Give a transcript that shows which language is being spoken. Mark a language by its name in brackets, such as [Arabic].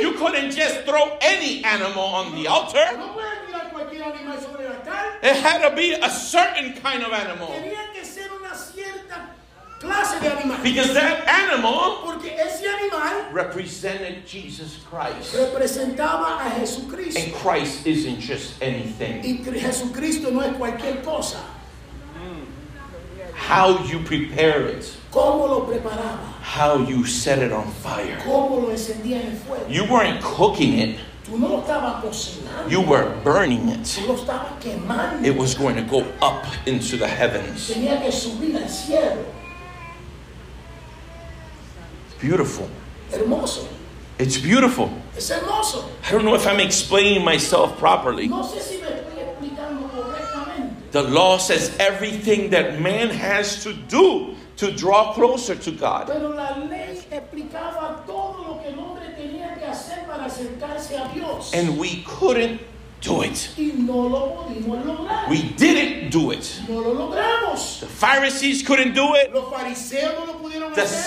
[English] You couldn't just throw any animal on the altar. [Spanish] No puede tirar cualquier animal sobre el altar. [English] It had to be a certain kind of animal. [Spanish] Tenía que ser una cierta clase de animal. [English] Because that animal, [Spanish] porque ese animal [English] represented Jesus Christ. [Spanish] Representaba a Jesucristo. [English] And Christ isn't just anything. [Spanish] Y Jesucristo no es cualquier cosa. [English] How you prepare it. [Spanish] ¿Cómo lo preparaba? [English] How you set it on fire. [Spanish] ¿Cómo lo encendía en fuego? [English] You weren't cooking it. [Spanish] Tú no lo estabas cocinando. [English] You were burning it. [Spanish] Tú lo estabas quemando. [English] It was going to go up into the heavens. [Spanish] Tenía que subir al cielo. [English] Beautiful. [Spanish] Hermoso. [English] It's beautiful. [Spanish] Es hermoso. [English] I don't know if I'm explaining myself properly. [Spanish] No sé si me estoy explicando correctamente. [English] The law says everything that man has to do to draw closer to God. [Spanish] Pero la ley explicaba todo lo que el hombre tenía que hacer para acercarse a Dios. [English] And we couldn't do it. [Spanish] Y no lo pudimos lograr. [English] We didn't do it. [Spanish] No lo logramos. [English] The Pharisees couldn't do it. [Spanish] Los fariseos no lo pudieron [English] the [Spanish] hacer.